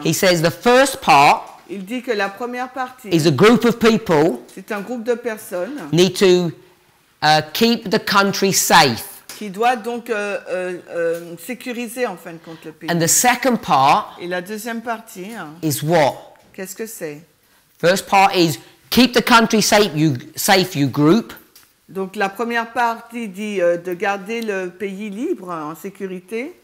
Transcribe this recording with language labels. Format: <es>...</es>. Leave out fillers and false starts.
<en>He says the first part...</en> <fr>Il dit que la première partie...</fr> <en>Is a group of people...</en> <fr>C'est un groupe de personnes...</fr> <en>Need to keep the country safe.</en> <fr>Qui doit donc sécuriser, en fin de compte, le pays.</fr> <en>And the second part...</en> <fr>Et la deuxième partie...</fr> <en>Is what?</en> <fr>Qu'est-ce que c'est?</fr> <en>First part is keep the country safe, you group.</en> <fr>Donc la première partie dit de garder le pays libre, en sécurité.</fr>